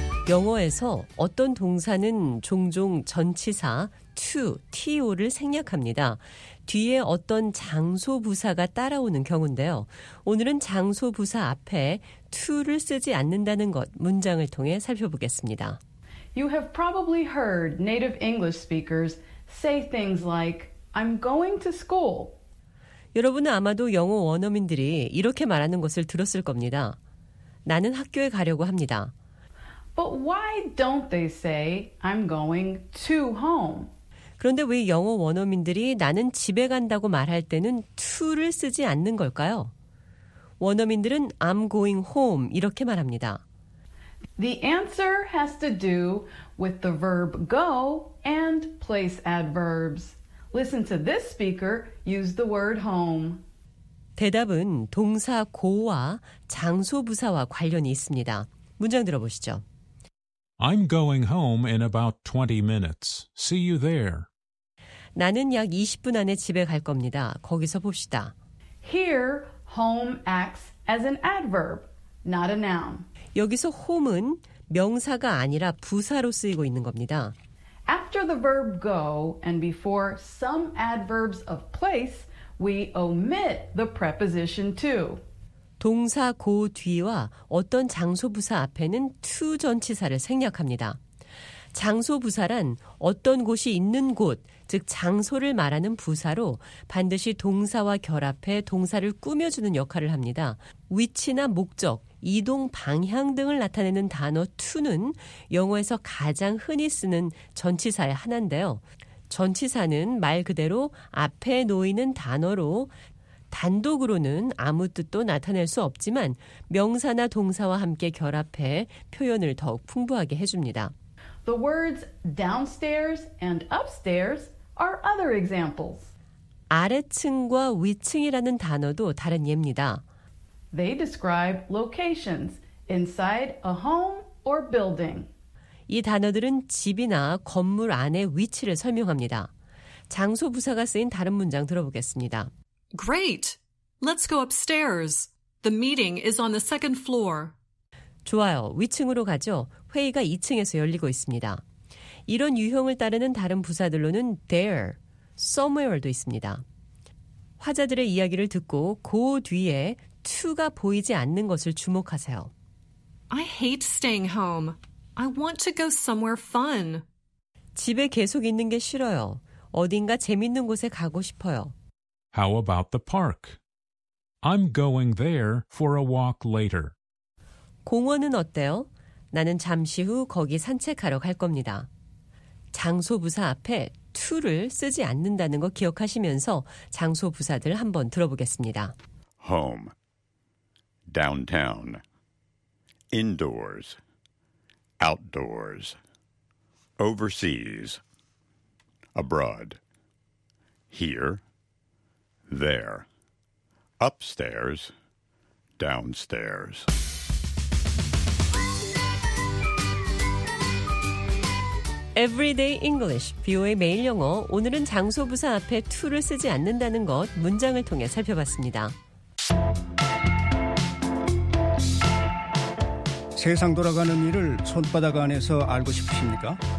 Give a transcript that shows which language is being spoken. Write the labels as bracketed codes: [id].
[ko] 영어에서 어떤 동사는 종종 전치사 to, to를 생략합니다. 뒤에 어떤 장소 부사가 따라오는 경우인데요. 오늘은 장소 부사 앞에 to를 쓰지 않는다는 것 문장을 통해 살펴보겠습니다. [en] You have probably heard native English speakers say things like, I'm going to school. [ko] 여러분은 아마도 영어 원어민들이 이렇게 말하는 것을 들었을 겁니다. 나는 학교에 가려고 합니다. [en] But why don't they say, I'm going to home? [ko] 그런데 왜 영어 원어민들이 나는 집에 간다고 말할 때는 to를 쓰지 않는 걸까요? 원어민들은 [en] I'm going home [ko] 이렇게 말합니다. [en] The answer has to do with the verb go and place adverbs. Listen to this speaker use the word home. [ko] 대답은 동사 go와 장소 부사와 관련이 있습니다. 문장 들어보시죠. [en] I'm going home in about 20 minutes. See you there. [ko] 나는 약 20분 안에 집에 갈 겁니다. 거기서 봅시다. [en] Here, home acts as an adverb, not a noun. [ko] 여기서 home은 명사가 아니라 부사로 쓰이고 있는 겁니다. [en] After the verb go and before some adverbs of place, we omit the preposition to. [ko] 동사 go 뒤와 어떤 장소 부사 앞에는 to 전치사를 생략합니다. 장소 부사란 어떤 곳이 있는 곳, 즉 장소를 말하는 부사로 반드시 동사와 결합해 동사를 꾸며주는 역할을 합니다. 위치나 목적, 이동 방향 등을 나타내는 단어 to는 영어에서 가장 흔히 쓰는 전치사의 하나인데요. 전치사는 말 그대로 앞에 놓이는 단어로 단독으로는 아무 뜻도 나타낼 수 없지만 명사나 동사와 함께 결합해 표현을 더욱 풍부하게 해줍니다. [en] The words downstairs and upstairs are other examples. [ko] 아래층과 위층이라는 단어도 다른 예입니다. [en] They describe locations inside a home or building. [ko] 이 단어들은 집이나 건물 안의 위치를 설명합니다. 장소 부사가 쓰인 다른 문장 들어보겠습니다. [en] Great. Let's go upstairs. The meeting is on the second floor. [ko] 좋아요. 위층으로 가죠. 회의가 2층에서 열리고 있습니다. 이런 유형을 따르는 다른 부사들로는 there, somewhere도 있습니다. 화자들의 이야기를 듣고 go 뒤에 to가 보이지 않는 것을 주목하세요. [en] I hate staying home. I want to go somewhere fun. [ko] 집에 계속 있는 게 싫어요. 어딘가 재밌는 곳에 가고 싶어요. [en] How about the park? I'm going there for a walk later. [ko] 공원은 어때요? 나는 잠시 후 거기 산책하러 갈 겁니다. 장소 부사 앞에 to를 쓰지 않는다는 거 기억하시면서 장소 부사들 한번 들어보겠습니다. [en] Home, downtown, indoors, outdoors, overseas, abroad, here, there, upstairs, downstairs. [ko] 에브리데이 잉글리시, 비오의 매일 영어. 오늘은 장소 부사 앞에 to를 쓰지 않는다는 것 문장을 통해 살펴봤습니다. 세상 돌아가는 일을 손바닥 안에서 알고 싶으십니까?